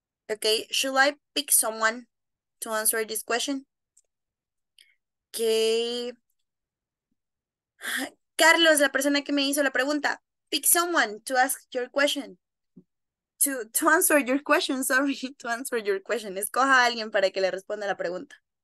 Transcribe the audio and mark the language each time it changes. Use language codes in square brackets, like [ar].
[en] Okay, should I pick someone to answer this question? Okay. [es] Carlos, la persona que me hizo la pregunta. [en] Pick someone to ask your question. To answer your question, sorry, to answer your question. [es] Escoja a alguien para que le responda la pregunta.